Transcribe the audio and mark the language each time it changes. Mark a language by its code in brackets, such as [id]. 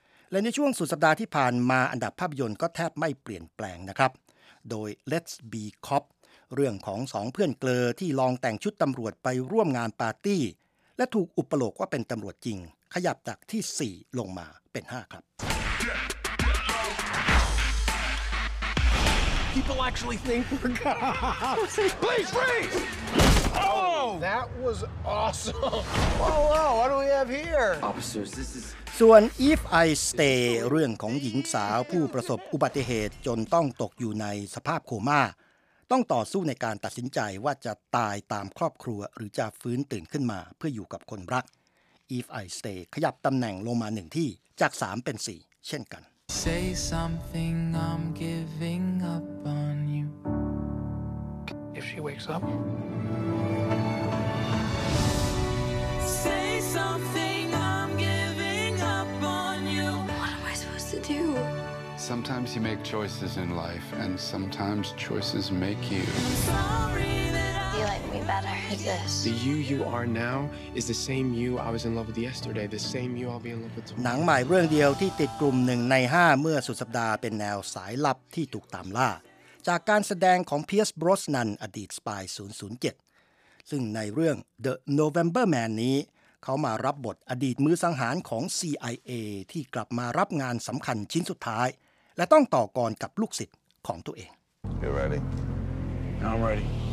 [th] และในช่วงสุดสัปดาห์ที่ผ่านมาอันดับภาพยนตร์ก็แทบไม่เปลี่ยนแปลงนะครับโดย Let's Be Copเรื่องของสองเพื่อนเกลอที่ลองแต่งชุดตำรวจไปร่วมงานปาร์ตี้และถูกอุปโลกว่าเป็นตำรวจจริงขยับจากที่4ลงมาเป็น5ครับ [en] People actually think we're God. Please, please. Oh, that was awesome. Oh, wow, what do we have here? Officers, this is [th] ส่วน If I Stay เรื่องของหญิงสาวผู้ประสบอุบัติเหตุจนต้องตกอยู่ในสภาพโคม่าต้องต่อสู้ในการตัดสินใจว่าจะตายตามครอบครัวหรือจะฟื้นตื่นขึ้นมาเพื่ออยู่กับคนรัก [en] If I Stay [th] ขยับตำแหน่งลงมา1ที่จาก3เป็น4เช่นกัน [en] Say something I'm giving up on you If she wakes up Say something I'm giving up on you What am I supposed to do? Sometimes you make choices in life, and sometimes choices make you. You like me better as this. The you you are now is the same you I was in love with yesterday. The same you I'll be in love with tomorrow. [th] หนังใหม่เรื่องเดียวที่ติดกลุ่ม1ใน5เมื่อสุดสัปดาห์เป็นแนวสายลับที่ถูกตามล่าจากการแสดงของ Pierce Brosnan อดีตสปาย007ซึ่งในเรื่อง The November Man นี้เขามารับบทอดีตมือสังหารของ CIA ที่กลับมารับงานสำคัญชิ้นสุดท้ายและต้องต่อกรกับลูกศิษย์ของตัวเอง [en] You're ready? I'm ready.